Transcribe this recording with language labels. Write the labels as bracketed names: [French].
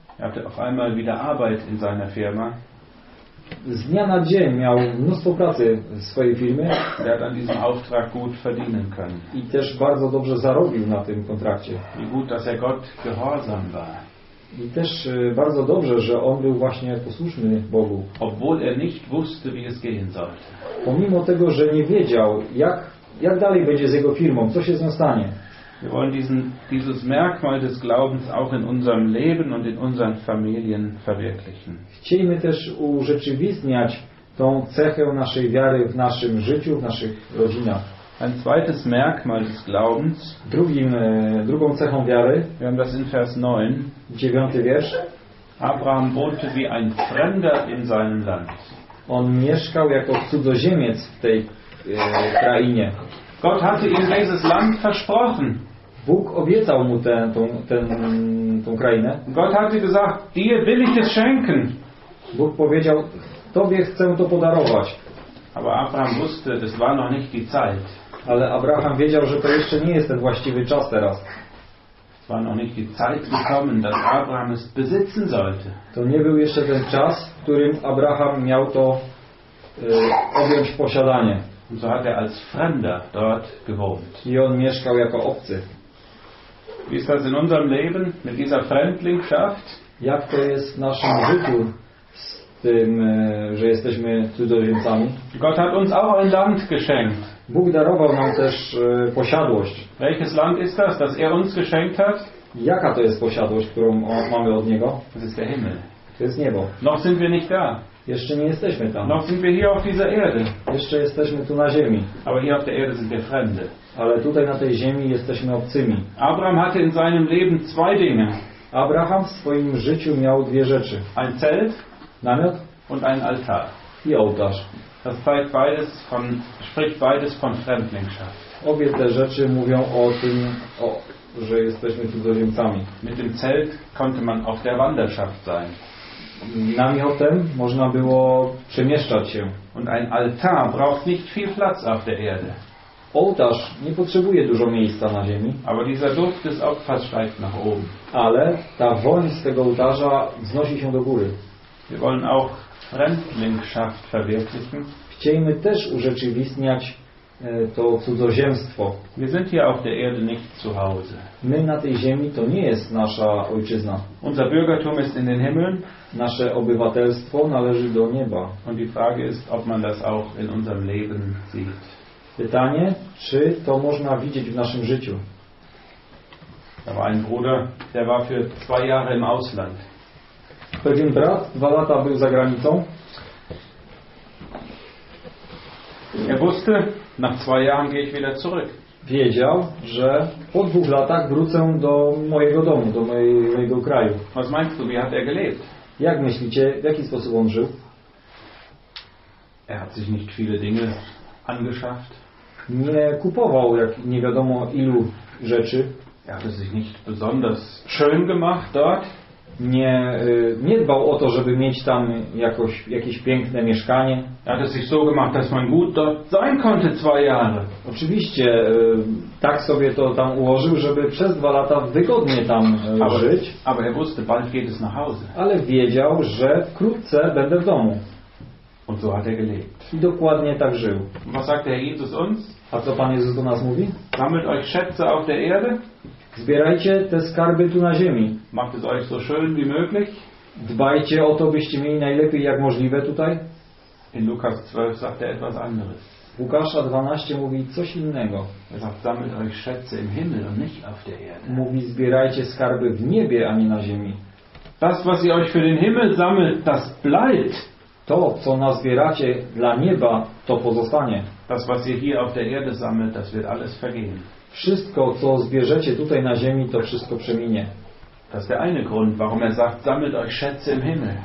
[German] Er hatte auf einmal wieder Arbeit in seiner Firma. [Polish] Z dnia na dzień miał mnóstwo pracy w swojej firmie. [German] Er hat an diesem Auftrag gut verdienen können. [Polish] I też bardzo dobrze zarobił na tym kontrakcie. [German] Wie gut, dass er Gott gehorsam war. [Polish] I też bardzo dobrze, że on był właśnie posłuszny Bogu. [German] Obwohl er nicht wusste, wie es gehen sollte. [Polish] Pomimo tego, że nie wiedział, jak dalej będzie z jego firmą, co się z nią stanie. [German] Wir wollen dieses Merkmal des Glaubens auch in unserem Leben und in unseren Familien verwirklichen. [Polish] Chcielibyśmy też urzeczywistniać tą cechę naszej wiary w naszym życiu, w naszych rodzinach. [German] Ein zweites Merkmal des Glaubens. [Polish] Drugą cechą wiary. [German] Wir haben das in Vers 9. [Polish] 9. wiersz. [German] Abraham wohnte wie ein Fremder in seinem Land. [Polish] On mieszkał jako cudzoziemiec w tej krainie. [German] Gott hatte ihm dieses Land versprochen. [Polish] Bóg obiecał mu tę krainę. [German] Gott hatte gesagt, dir will ich es schenken. [Polish] Bóg powiedział, tobie chcę to podarować. [German] Aber Abraham wusste, das war noch nicht die Zeit. [Polish] Ale Abraham wiedział, że to jeszcze nie jest ten właściwy czas teraz. [German] Es war noch nicht die Zeit gekommen, dass Abraham es besitzen sollte. [Polish] To nie był jeszcze ten czas, w którym Abraham miał to objąć w posiadanie. [German] Und so hat er als Fremder dort gewohnt. [Polish] I on mieszkał jako obcy. [German] Wie ist das in unserem Leben mit dieser Fremdlingschaft? [Polish] Jak to jest w naszym życiu z tym, że jesteśmy cudzoziemcami? [German] Gott hat uns auch ein Land geschenkt. [Polish] Bóg darował nam też posiadłość. [German] Welches Land ist das, das er uns geschenkt hat? [Polish] Jaka to jest posiadłość, którą mamy od niego? [German] Das ist der Himmel. [Polish] To jest niebo. [German] Noch sind wir nicht da. [Polish] Jeszcze nie jesteśmy tam. [German] Noch sind wir hier auf dieser Erde. [Polish] Jeszcze jesteśmy tu na ziemi. [German] Aber hier auf der Erde sind wir Fremde. [Polish] Ale tutaj na tej ziemi jesteśmy obcymi. [German] Abraham hatte in seinem Leben zwei Dinge. [Polish] Abraham w swoim życiu miał dwie rzeczy. [German] Ein Zelt. [Polish] Namiot. [German] Und ein Altar. [Polish] I ołtarz. [German] Das zeigt beides von, spricht beides von Fremdlingschaft. [Polish] Obie te rzeczy mówią o tym, że jesteśmy cudzoziemcami. [German] Mit dem Zelt konnte man auf der Wanderschaft sein. [Polish] Namiotem można było przemieszczać się. [German] Und ein Altar braucht nicht viel Platz auf der Erde. [Polish] Ołtarz nie potrzebuje dużo miejsca na ziemi. [German] Aber dieser Duft des Opfers steigt nach oben. [Polish] Ale ta woń z tego ołtarza wznosi się do góry. [German] Wir wollen auch Fremdlingschaft verwirklichen. [Polish] Chcielibyśmy też urzeczywistniać to cudzoziemstwo. [German] Wir sind hier auf der Erde nicht zu Hause. [Polish] My na tej ziemi to nie jest nasza ojczyzna. [German] Unser Bürgertum ist in den Himmel. [Polish] Nasze obywatelstwo należy do nieba. [German] Und die Frage ist, ob man das auch in unserem Leben sieht. [Polish] Pytanie, czy to można widzieć w naszym życiu. [German] Da war ein Bruder, der war für zwei Jahre im Ausland. [Polish] Pewien brat dwa lata był za granicą. [German] Er wusste, nach zwei Jahren gehe ich wieder zurück. [Polish] Wiedział, że po dwóch latach wrócę do mojego domu, do mojego kraju. [German] Was meinst du, wie hat er gelebt? [Polish] Jak myślicie, w jaki sposób on żył? [German] Er hat sich nicht viele Dinge angeschafft. [Polish] Nie kupował jak nie wiadomo ilu rzeczy. [German] Er hat sich nicht besonders schön gemacht dort. [Polish] Nie dbał o to, żeby mieć tam jakieś piękne mieszkanie. [German] Er hat sich so gemacht, dass man gut dort sein konnte zwei Jahre. [Polish] Oczywiście tak sobie to tam ułożył, żeby przez dwa lata wygodnie tam żyć. [German] Aber er wusste, bald geht es nach Hause. [Polish] Ale wiedział, że wkrótce będę w domu. [German] Und so hat er gelebt. [Polish] I dokładnie tak żył. [German] Was sagt der Jesus uns? [Polish] A co Pan Jezus do nas mówi? [German] Sammelt euch Schätze auf der Erde. [Polish] Zbierajcie te skarby tu na ziemi. [German] Macht es euch so schön wie möglich. [Polish] Dbajcie o to, byście mieli najlepiej jak możliwe tutaj. [German] In Lukas 12 sagt er etwas anderes. [Polish] Łukasza 12 mówi coś innego. [German] Er sagt, sammelt euch Schätze im Himmel und nicht auf der Erde. [Polish] Mówi, zbierajcie skarby w niebie, a nie na ziemi. [German] Das, was ihr euch für den Himmel sammelt, das bleibt. [Polish] To, co nazbieracie dla nieba, to pozostanie. [German] Das, was ihr hier auf der Erde sammelt, das wird alles vergehen. [Polish] Wszystko, co zbierzecie tutaj na ziemi, to wszystko przeminie. [German] Das ist der eine Grund, warum er sagt, sammelt euch Schätze im Himmel.